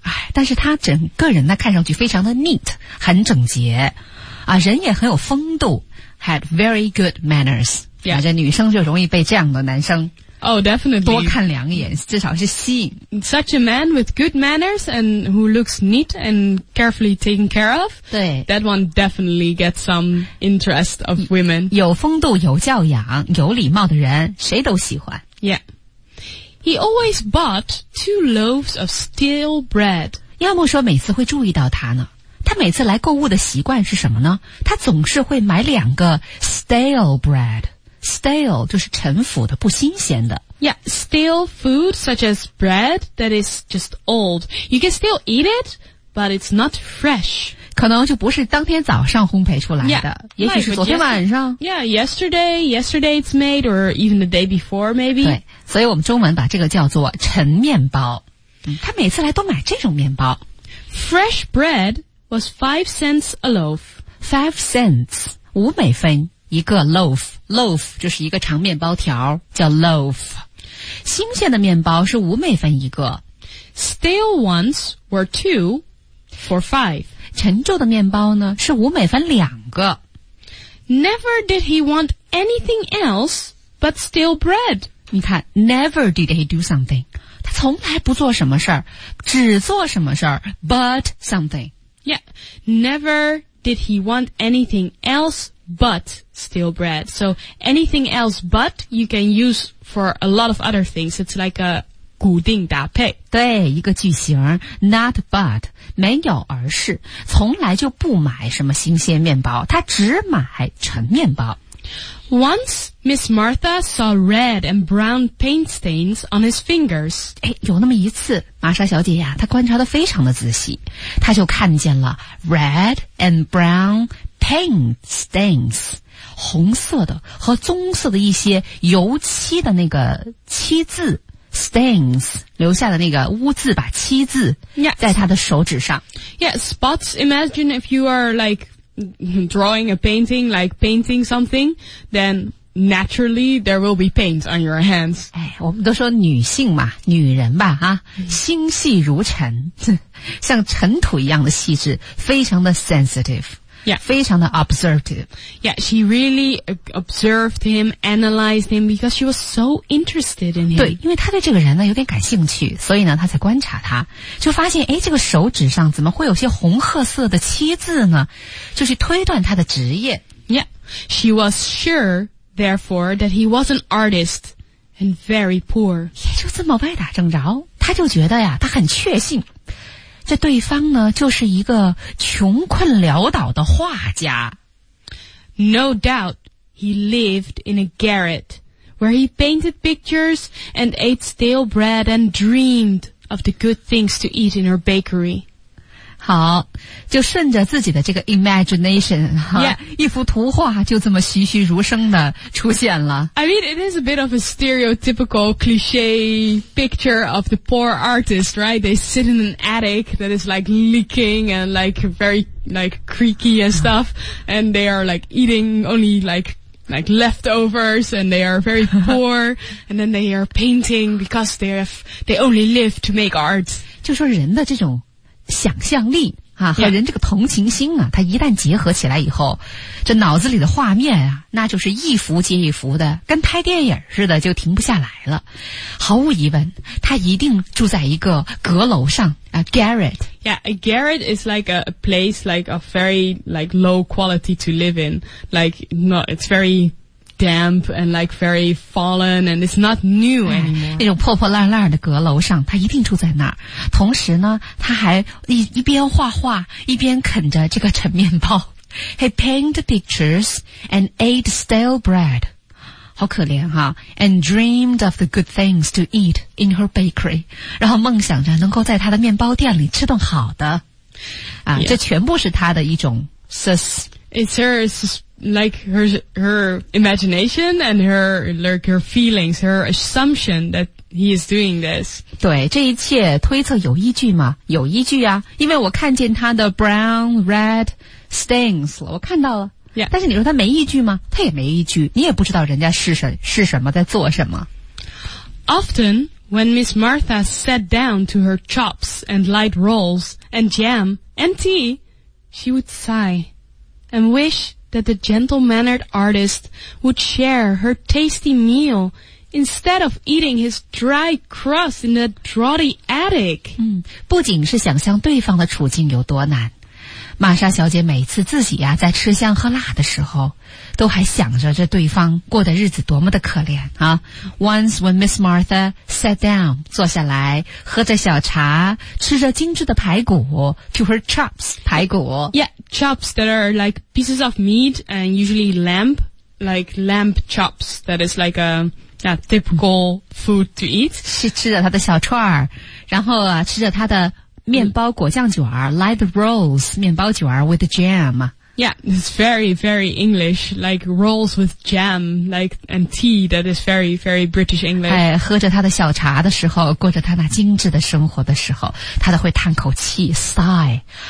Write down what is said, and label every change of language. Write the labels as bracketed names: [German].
[Chinese] 哎但是他整个人呢看上去非常的 neat, 很整洁。啊人也很有风度 [English] had very good manners. 啊、yeah. [Chinese] 这女生就容易被这样的男生 [English] Oh, definitely. [Chinese] 多看两眼，至少是吸引。 [English] Such a man with good manners and who looks neat and carefully taken care of. [Chinese] 对。 [English] That one definitely gets some interest of women. [Chinese] 有风度，有教养，有礼貌的人，谁都喜欢。 Yeah. [English] He always bought two loaves of stale bread. [Chinese] 要么说每次会注意到他呢。他每次来购物的习惯是什么呢？他总是会买两个 [English] stale bread. [Chinese] Stale 就是陈腐的不新鲜的 [English] Yeah, stale food such as bread that is just old. You can still eat it, but it's not fresh. [Chinese] 可能就不是当天早上烘焙出来的 yeah, 也许是昨天晚上 [English] Yeah, yesterday it's made or even the day before maybe. [Chinese] 对，所以我们中文把这个叫做陈面包、嗯、他每次来都买这种面包 [English] Fresh bread was 5 cents a loaf. 5 cents, [Chinese] 五美分一个 loaf 就是一个长面包条叫 loaf 新鲜的面包是五美分一个 [English] stale ones were 2 for 5 [Chinese] 陈旧的面包呢是五美分两个 [English] never did he want anything else but steal bread. [Chinese] 你看 [English] never did he do something. [Chinese] 他从来不做什么事儿只做什么事儿 [English] but something. Yeah, never did he want anything else but steal bread. So anything else but you can use for a lot of other things. It's like a [Chinese] 固定搭配。对，一个句型 ,not but, 没有而是，从来就不买什么新鲜面包，他只买陈面包。 [English] Once, Miss Martha saw red and brown paint stains on his fingers. [Chinese] 诶，有那么一次，玛莎小姐呀，她观察得非常的仔细，她就看见了 [English] red and brown paint stains, [Chinese] 红色的和棕色的一些油漆的那个漆渍。 Stains, 留下的那个污渍吧漆渍 yes. 在他的手指上。 [English] Yes, spots, imagine if you are like drawing a painting, like painting something, then naturally there will be paint on your hands. [Chinese] 哎，我们都说女性嘛女人吧哈、心细如尘像尘土一样的细致非常的 sensitive。 Yeah. 非常的 observative. [English] Yeah, she really observed him, analyzed him because she was so interested in him. [Chinese] 对，因为她对这个人呢有点感兴趣，所以呢她才观察他，就发现，诶，这个手指上怎么会有些红褐色的漆渍呢？就是推断他的职业。 [English] Yeah, she was sure, therefore, that he was an artist and very poor. [Chinese] 也就这么歪打正着，她就觉得呀，她很确信。这对方呢就是一个穷困潦倒的画家。 [English] No doubt, he lived in a garret, where he painted pictures and ate stale bread and dreamed of the good things to eat in her bakery. [Chinese] 好，就顺着自己的这个 imagination, yeah. 一幅图画就这么栩栩如生的出现了。 [English] I mean, it is a bit of a stereotypical cliché picture of the poor artist, right? They sit in an attic that is like leaking and like very like creaky and stuff, and they are like eating only like leftovers and they are very poor, and then they are painting because they only live to make art. [Chinese] 就说人的这种想象力啊和人这个同情心啊它一旦结合起来以后这脑子里的画面啊那就是一幅接一幅的跟拍电影似的就停不下来了。毫无疑问他一定住在一个阁楼上啊 garret. [English] Yeah, a garret is like a place like a very like low quality to live in. Like, not, it's very damp and like very fallen and it's not new anymore. [Chinese] 那种破破烂烂的阁楼上他一定住在那儿。同时呢他还 一边画画一边啃着这个陈面包。 [English] He painted pictures and ate stale bread. [Chinese] 好可怜哈。 [English] And dreamed of the good things to eat in her bakery. [Chinese] 然后梦想着能够在他的面包店里吃顿好的。啊 yeah. 这全部是他的一种 sus. [English] It's her sus. Like her imagination and her feelings, her assumption that he is doing this. [Chinese] 对，这一切推测有依据吗？有依据啊，因为我看见他的 [English] brown, red stains [Chinese] 了，我看到了。 Yeah. 但是你说他没依据吗？他也没依据，你也不知道人家是什么，在做什么。 [English] Often, when Miss Martha sat down to her chops and light rolls and jam and tea, she would sigh and wish... that the gentle-mannered artist would share her tasty meal instead of eating his dry crust in the draughty attic. [Chinese] 不仅是想象对方的处境有多难，玛莎小姐每次自己啊在吃香喝辣的时候，都还想着这对方过的日子多么的可怜啊。 [English] Once when Miss Martha sat down, [Chinese] 坐下来，喝着小茶，吃着精致的排骨 [English] ,to her chops, 排骨。 Yeah, chops that are like pieces of meat and usually lamb, like lamb chops, that is like a typical food to eat. [Chinese] 是吃着她的小串然后啊吃着她的面包果酱卷儿 , [English] light rolls, [Chinese] 面包卷儿 [English] with jam. Yeah, it's very, very English, like rolls with jam, like, and tea, that is very, very British English. [Chinese] 哎，喝着他的小茶的时候，过着他那精致的生活的时候，他都会叹口气 ,sigh.